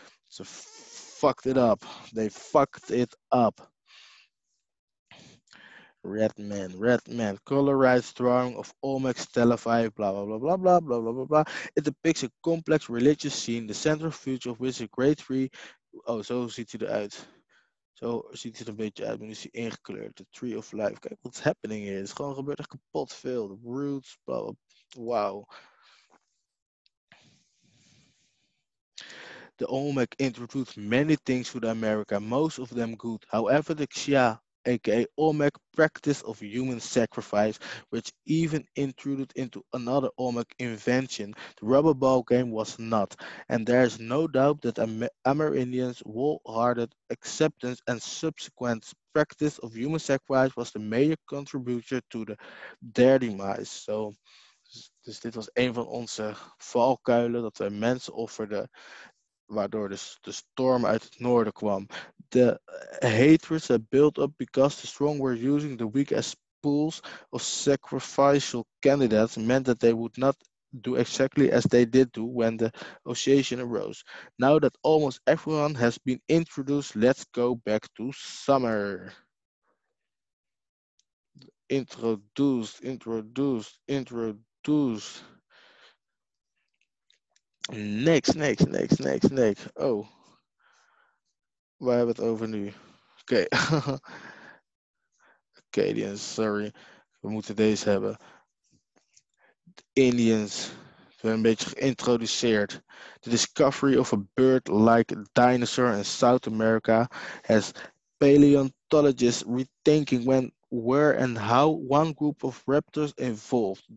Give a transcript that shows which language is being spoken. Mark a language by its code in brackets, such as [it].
[en] So fucked it up. They fucked it up. Red man, colorized drawing of Olmec Stella 5, blah, blah, blah, blah, blah, blah, blah, blah, blah. It depicts a complex religious scene, the central future of which is a great tree. [nl] Oh, zo ziet hij eruit. Zo ziet hij er een beetje uit. Nu is hij ingekleurd, [en] the tree of life. [nl] Kijk wat's [en] happening here. [nl] Het is gewoon gebeurd echt kapot veel. [en] The roots, blah, blah, blah. Wow. The Olmec introduced many things to the America, most of them good. However, the Xia, a.k.a. Olmec, practice of human sacrifice, which even intruded into another Olmec invention, the rubber ball game, was not. And there is no doubt that Amerindians' wholehearted acceptance and subsequent practice of human sacrifice was the major contributor to their demise. [nl] So, dus dit was een van onze valkuilen, dat wij mensen offerden, waardoor dus de storm uit het noorden kwam. [en] The hatreds had built up because the strong were using the weak as pools of sacrificial candidates meant that they would not do exactly as they did do when the association arose. Now that almost everyone has been introduced, let's go back to summer. Introduce. Next. [nl] Oh, we hebben het over nu. Oké. Okay. Acadians, sorry. We moeten deze hebben. [en] The Indians. [nl] We zijn een beetje geïntroduceerd. [en] The discovery of a bird-like dinosaur in South America has paleontologists rethinking when, where and how one group of raptors evolved.